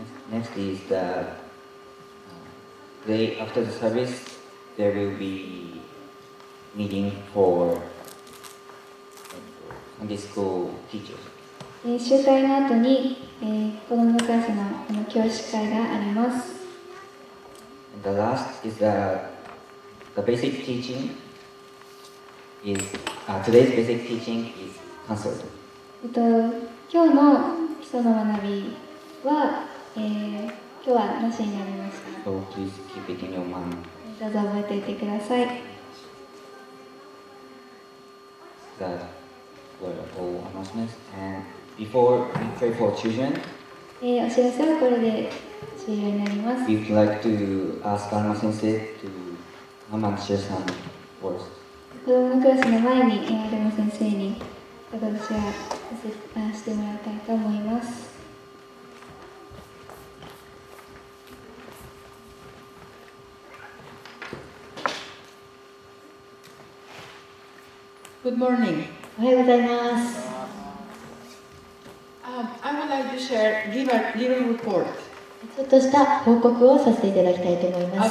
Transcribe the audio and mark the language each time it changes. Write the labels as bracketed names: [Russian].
[English] Next is the day after the service, there will be meeting for Sunday school teachers. [Japanese] 集会の後に、子供のクラスの、この教師会があります。 [English] And the last is the basic teaching is, today's basic teaching is cancelled. [Japanese] 今日の基礎の学びは、今日はなしになりました。 [English] So please keep it in your mind. [Japanese] どうぞ覚えていてください。 [English] That were all announcements. And before we pray for children, [Japanese] お知らせはこれで終了になります。 [English] We'd like to ask Anna 先生 to come and share some words. [Japanese] 子供のクラスの前に、Anna 先生に私は説明してもらいたいと思います。 [English] Good morning. [Japanese] おはようございます。 [English] I would like to share give a little report. [Japanese] ちょっとした報告をさせていただきたいと思います。